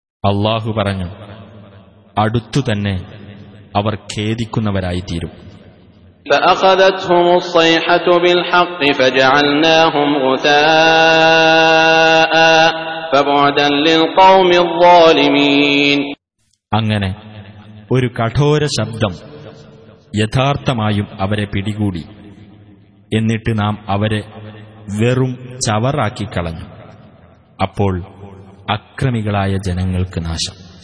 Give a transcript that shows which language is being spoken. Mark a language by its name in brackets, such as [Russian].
[Malayalam] അല്ലാഹു പറഞ്ഞു, അടുത്തു തന്നെ അവർ ഖേദിക്കുന്നവരായിത്തീരും. [Arabic] فأخذتهم الصيحة بالحق فجعلناهم غثاء فبعدا للقوم الظالمين. [Malayalam] അങ്ങനെ ഒരു കഠോര ശബ്ദം യഥാർത്ഥമായും അവരെ പിടികൂടി. എന്നിട്ട് നാം അവരെ വെറും ചവറാക്കി കളഞ്ഞു. അപ്പോൾ അക്രമികളായ ജനങ്ങൾക്ക് നാശം.